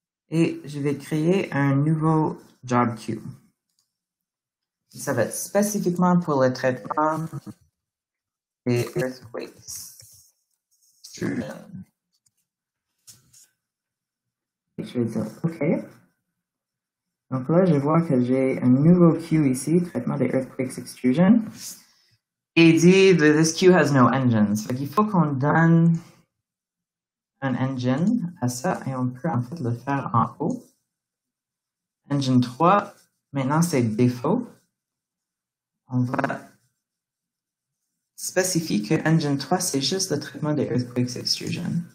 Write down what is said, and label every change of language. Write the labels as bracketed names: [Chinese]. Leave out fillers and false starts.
[French] Et je vais créer un nouveau job queue. Ça va être spécifiquement pour le traitement des earthquakes. Je vais dire OK. Donc là, je vois que j'ai un nouveau queue ici, traitement des earthquakes extrusion. Et dit [English] that this queue has no engines. [French] Donc, il faut qu'on donne un engine à ça et on peut en fait le faire en haut. Engine 3, maintenant c'est défaut. On va spécifier que engine 3 c'est juste le traitement des earthquakes extrusion.